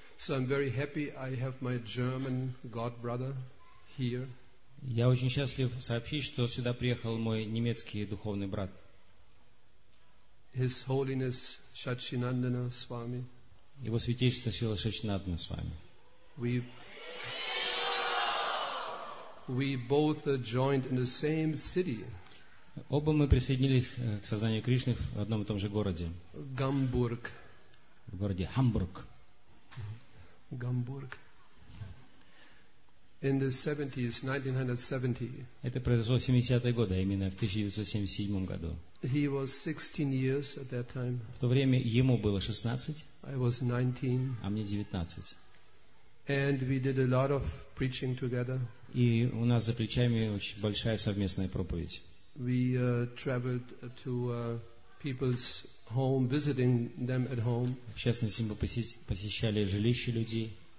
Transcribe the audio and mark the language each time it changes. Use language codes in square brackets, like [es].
[en] I'm very happy I have my German god brother here. [ru] Я очень счастлив сообщить, что сюда приехал мой немецкий духовный брат. [en] His Holiness Shachinandana Swami. [ru] Его святейшество Шрила Шачинандана Свами. [en] We both joined in the same city. [ru] Оба мы присоединились к сознанию Кришны в одном и том же городе. Гамбург. В городе Гамбург. Гамбург. [en] In the 70s, 1970. [ru] Это произошло в 70-е годы, именно в 1977 году. [en] He was 16 years at that time. [ru] В то время ему было 16. [en] I was 19. [ru] А мне 19. [en] And we did a lot of preaching together. [ru] И у нас за плечами очень большая совместная проповедь. [en] We traveled to people's home, visiting them at home. [ru] В частности, мы посещали жилища людей.